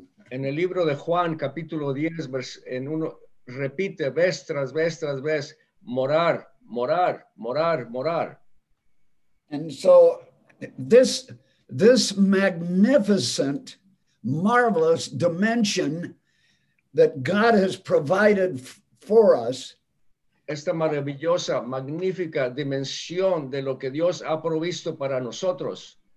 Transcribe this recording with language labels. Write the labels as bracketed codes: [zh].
[es] En el libro de Juan, capítulo 10, en uno repite vez tras vez tras vez, morar, morar, morar, morar. [en] And so this magnificent, marvelous dimension that God has provided for us. [es] Esta maravillosa, magnífica dimensión de lo que Dios ha provisto para nosotros.